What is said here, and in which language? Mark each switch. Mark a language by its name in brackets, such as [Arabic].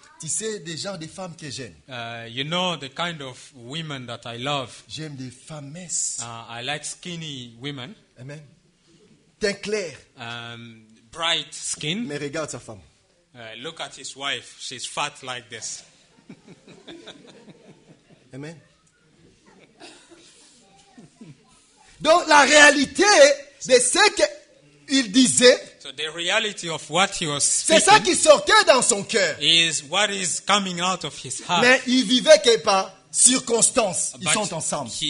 [French] Tu sais des genres de femmes que j'aime. [English] You know the kind of women that I love. [French] J'aime des femmes minces. [English] I like skinny women. [French] Amen. Teint clair. [English] Bright skin. [French] Mais regarde sa femme. [English] Look at his wife. She's fat like this. Amen. [French] Donc la réalité de ce qu'il disait. [English] So the reality of what he was speaking. [French] C'est ça qui sortait dans son cœur. [English] Is what is coming out of his heart. [French] Mais il vivait quelque part. Circonstances, ils sont ensemble.